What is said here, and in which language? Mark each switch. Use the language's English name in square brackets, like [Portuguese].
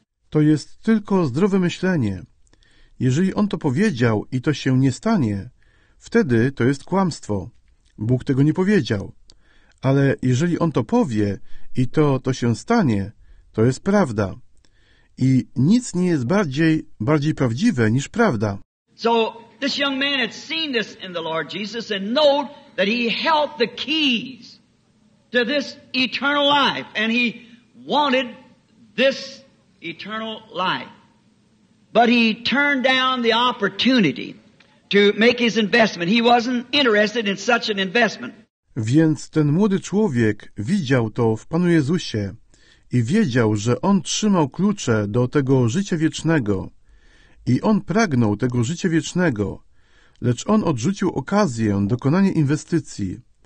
[Polish] To jest tylko zdrowe myślenie. Jeżeli on to powiedział i to się nie stanie, wtedy to jest kłamstwo. Bóg tego nie powiedział. Ale jeżeli on to powie i to się stanie, to jest prawda. I nic nie jest bardziej prawdziwe niż prawda. [English] So this young man had seen this in the Lord Jesus and know that he held the keys to this eternal life and he wanted this eternal life. But he turned down the opportunity to make his investment. He wasn't interested in such an investment. [Polish] Więc ten młody człowiek widział to w Panu Jezusie i wiedział, że on trzymał klucze do tego życia wiecznego i on pragnął tego życia wiecznego, lecz on odrzucił okazję dokonania inwestycji.